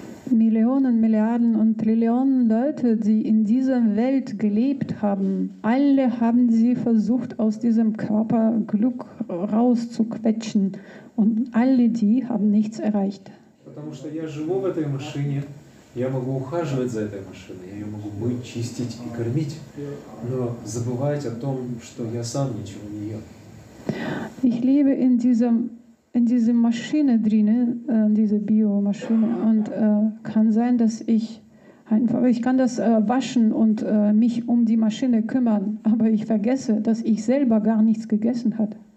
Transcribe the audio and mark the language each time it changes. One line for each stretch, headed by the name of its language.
German: Millionen, Milliarden und Trillionen Leute, die in dieser Welt gelebt haben, alle haben sie versucht, aus diesem Körper Glück rauszuquetschen. Und alle die haben nichts erreicht.
Russian: Потому что я живу в этой машине, я могу ухаживать за этой машиной, я могу мыть, чистить и кормить, но забывать о том, что я сам ничего не ел.
German: Ich lebe in diese Maschine drinne, diese Biomaschine, und kann sein, dass ich einfach, ich kann das waschen und mich um die Maschine kümmern, aber ich vergesse, dass ich selber gar nichts gegessen hat.